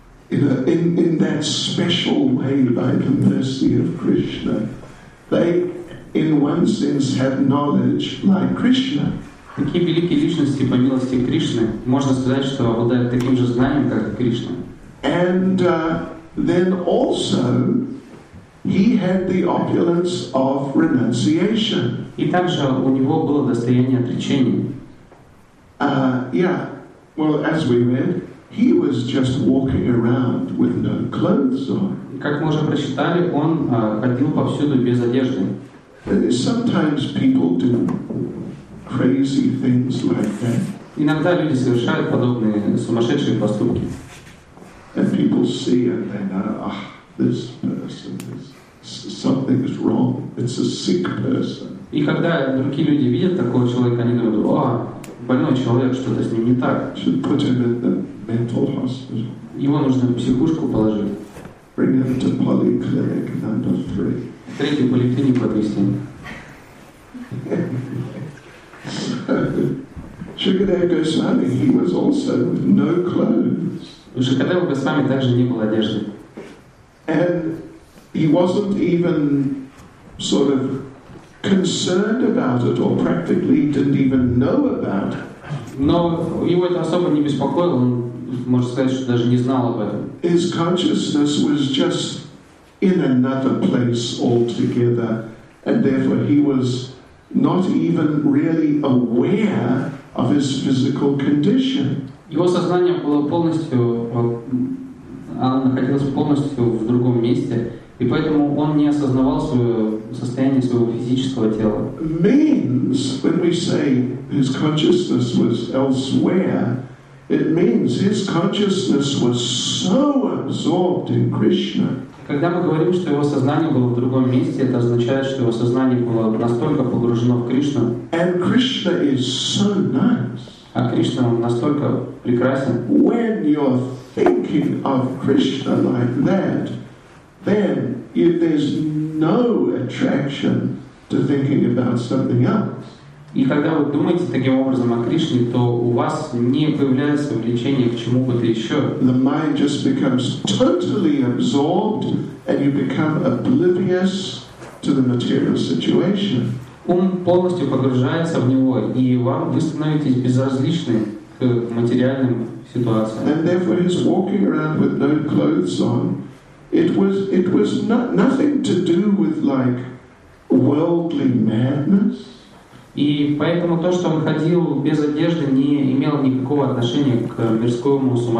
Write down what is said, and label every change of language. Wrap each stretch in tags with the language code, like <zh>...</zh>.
<en>In that special way, by the mercy of Krishna, they in one sense have knowledge like Krishna.</en> <ru>Такие великие личности по милости Кришны, можно сказать, что обладают таким же знанием, как и Кришна.</ru> <en>And then also he had the opulence of renunciation.</en> <ru>И также у него было достояние отречения.</ru> <en>Yeah. Well, as we read, he was just walking around with no clothes on.</en> <ru>Как мы уже прочитали, он ходил повсюду без одежды.</ru> <en>Sometimes people do crazy things like that.</en> <ru>Иногда люди совершают подобные сумасшедшие поступки.</ru> <en>And people see it and they know, ah, this person is something is wrong. It's a sick person.</en> <ru>И когда другие люди видят такого человека, они думают, о, больной человек, что-то с ним не так.</ru> <en>Should put him in the mental hospital.</en> <ru>Его нужно в психушку положить.</ru> <en>Bring him to polyclinic number three.</en> <ru>Третью поликлинику отвезти.</ru> <en>Шукадева Госвами, he was also with no clothes.</en> <ru>У Шукадева Госвами также не было одежды.</ru> <en>And he wasn't even sort of concerned about it or practically didn't even know about it.</en> <ru>Но его это особо не беспокоило, он, можно сказать, что даже не знал об этом.</ru> <en>His consciousness was just in another place altogether, and therefore he was not even really aware of his physical condition.</en> <ru>Его сознание было полностью, оно находилось полностью в другом месте, и поэтому он не осознавал свое состояние своего физического тела.</ru> <en>Means when we say his consciousness was elsewhere, it means his consciousness was so absorbed in Krishna.</en> <ru>Когда мы говорим, что его сознание было в другом месте, это означает, что его сознание было настолько погружено в Кришну.</ru> <en>And Krishna is so nice.</en> <ru>А Кришна настолько прекрасен.</ru> <en>When you're thinking of Krishna like that, then there's no attraction to thinking about something else.</en> <ru>И когда вы думаете таким образом о Кришне, то у вас не появляется влечение к чему бы то еще.</ru> <en>The mind just becomes totally absorbed, and you become oblivious to the material situation.</en> <ru>Ум полностью погружается в него, и вы становитесь безразличны к материальным ситуациям.</ru> <en>And therefore, he's walking around with no clothes on. It was nothing to do with like worldly madness.</en> <ru>И поэтому то, что он ходил без одежды, не имело никакого отношения к мирскому</ru>